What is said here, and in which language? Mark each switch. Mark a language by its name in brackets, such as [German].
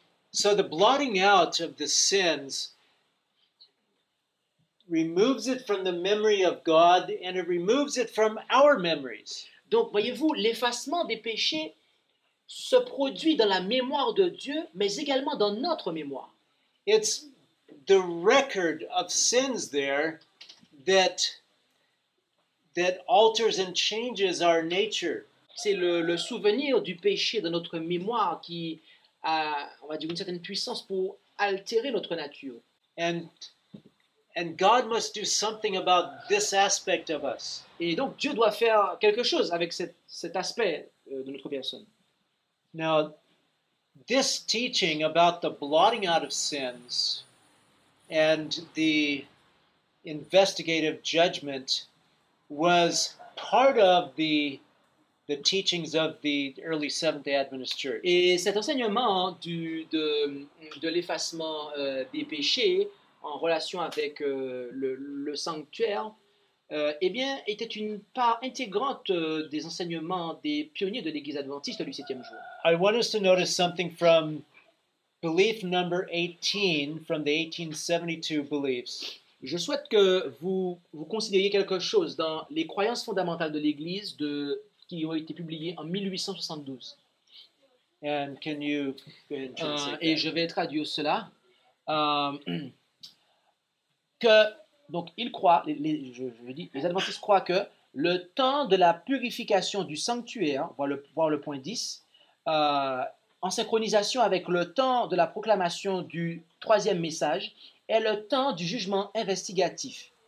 [English] So the blotting out of the sins removes it from the memory of God, and it removes it from our memories. [French] Donc voyez-vous, l'effacement des péchés se produit dans la mémoire de Dieu, mais également dans notre mémoire. [English] It's the record of sins there that alters and changes our nature. [French] C'est le souvenir du péché dans notre mémoire qui a, on va dire, une certaine puissance pour altérer notre nature. [English] And God must do something about this aspect of us. [French] Et donc Dieu doit faire quelque chose avec cet aspect de notre personne. [English] Now, this teaching about the blotting out of sins and the investigative judgment was part of the teachings of the early Seventh-day Adventist Church. [French] Et cet enseignement de l'effacement des péchés en relation avec le sanctuaire, eh bien, était une part intégrante des enseignements des pionniers de l'Église adventiste du septième jour. [English] I want us to notice something from belief number 18, from the 1872 beliefs. [French] Je souhaite que vous considériez quelque chose dans les croyances fondamentales de l'Église de qui ont été publiées en 1872. [English] And can you [French] et je vais traduire cela. Que donc ils croient, les adventistes croient que le temps de la purification du sanctuaire, voir le point 10, en synchronisation avec le temps de la proclamation du troisième message, est le temps du jugement investigatif.